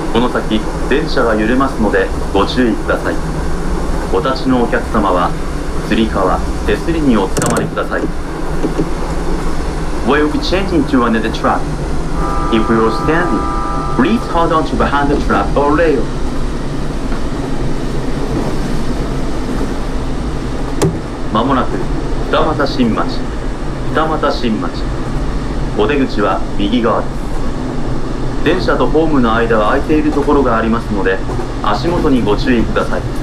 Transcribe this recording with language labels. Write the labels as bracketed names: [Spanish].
[Japanese] 先電車が揺れますのでご注意ください。お立ちのお客様はつり革手すりにおつかまりください。 [English] We will be changing to another track. If you are standing, please hold on to behind the track or rail. [Japanese] まもなく二俣新町、二俣新町、お出口は右側です。電車とホームの間は空いているところがありますので、足元にご注意ください。